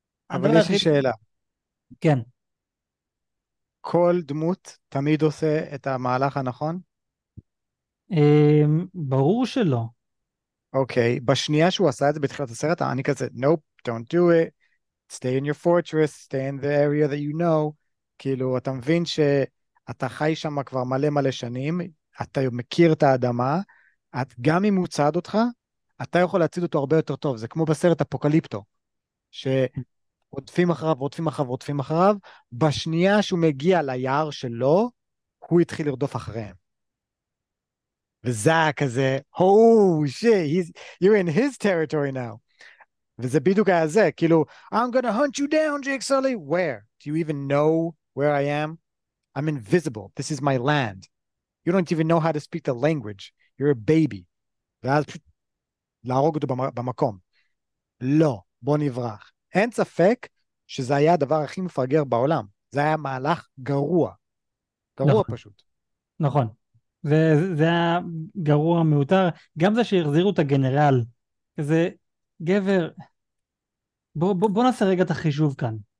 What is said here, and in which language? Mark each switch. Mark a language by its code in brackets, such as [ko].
[he] אבל הדבר יש לי היחיד... שאלה. כן. כל דמות תמיד עושה את המהלך הנכון? ברור שלא. אוקיי, בשנייה שהוא עשה את זה בתחילת הסרט, אני כזה, [en] nope, don't do it. Stay in your fortress, stay in the area that you know. [he] כאילו, אתה מבין שאתה חי שם כבר מלא מלא שנים, אתה מכיר את האדמה, גם אם הוא צעד אותך, אתה יכול להציד אותו הרבה יותר טוב. זה כמו בסרט אפוקליפטו, ש... רודפים אחריו, רודפים אחריו, רודפים אחריו, בשנייה שהוא מגיע ליער שלו, הוא התחיל לרדוף אחריהם. וזה היה כזה, [en] oh shit, you're in his territory now. [he] וזה בדיוק היה זה, כאילו, [en] I'm gonna hunt you down, Jake Sully, where? Do you even know where I am? I'm invisible, this is my land. You don't even know how to speak the language, you're a baby. [he] ואז פשוט להרוג אותו במקום. לא, בוא נברח. אין ספק שזה היה הדבר הכי מפגר בעולם. זה היה מהלך גרוע. גרוע נכון, פשוט. נכון. זה היה גרוע מיותר. גם זה שהחזירו את הגנרל, כזה, גבר, בוא נעשה רגע את החישוב כאן.